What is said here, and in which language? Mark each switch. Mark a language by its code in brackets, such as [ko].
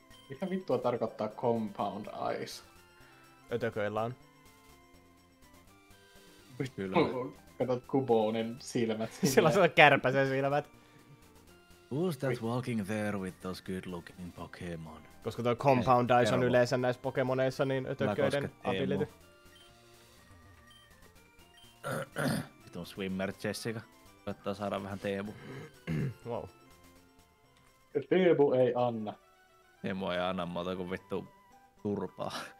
[fi] Mitä vittua tarkoittaa Compound Eyes? Ötököillä on. Katsot Kubonen silmät. Sillä on sellaiset kärpäsen silmät. [en] Who's that walking there with those good looking Pokemon? [fi] Koska tuo Compound Eyes on yleensä näissä Pokemoneissa, niin ötököiden ability. Emo. Vittu on Swimmer Jessica. Koittaa saada vähän Teemu. Wow. Teemu ei anna. Teemu ei anna muuta kuin vittu turpaa.